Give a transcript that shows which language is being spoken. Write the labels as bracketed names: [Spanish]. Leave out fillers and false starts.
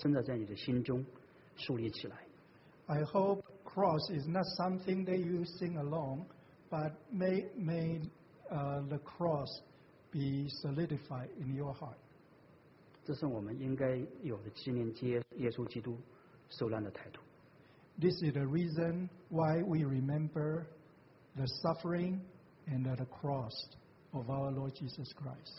[Chinese] 我爸爸的十字架不仅仅是唱唱歌而已，而是真的在你的心中树立起来。 [English] I hope cross is not something that you sing along, but may the cross be solidified in your heart. [Chinese] 这是我们应该有的纪念耶稣基督受难的态度。 [English] This is the reason why we remember the suffering and the cross of our Lord Jesus Christ.